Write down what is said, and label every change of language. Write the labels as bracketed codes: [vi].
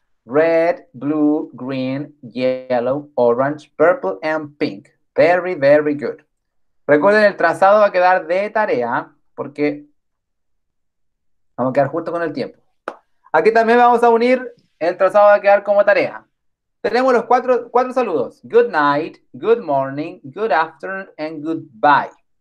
[en] Red, blue, green, yellow, orange, purple and pink. Very, very good. [es] Recuerden, el trazado va a quedar de tarea porque... vamos a quedar justo con el tiempo. Aquí también vamos a unir, el trazado va a quedar como tarea. Tenemos los cuatro saludos. [en] Good night, good morning, good afternoon, and goodbye.